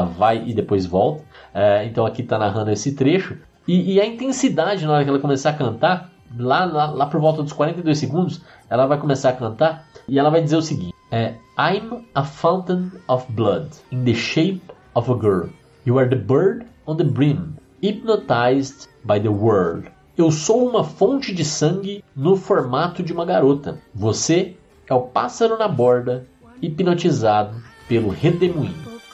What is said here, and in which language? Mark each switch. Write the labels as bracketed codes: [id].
[pt] Ela vai e depois volta. Então, aqui está narrando esse trecho. E a intensidade na hora que ela começar a cantar, lá por volta dos 42 segundos, ela vai começar a cantar e ela vai dizer o seguinte: [en] I'm a fountain of blood in the shape of a girl. You are the bird on the brim, hypnotized by the world. [pt] Eu sou uma fonte de sangue no formato de uma garota. Você é o pássaro na borda, hipnotizado pelo redemoinho.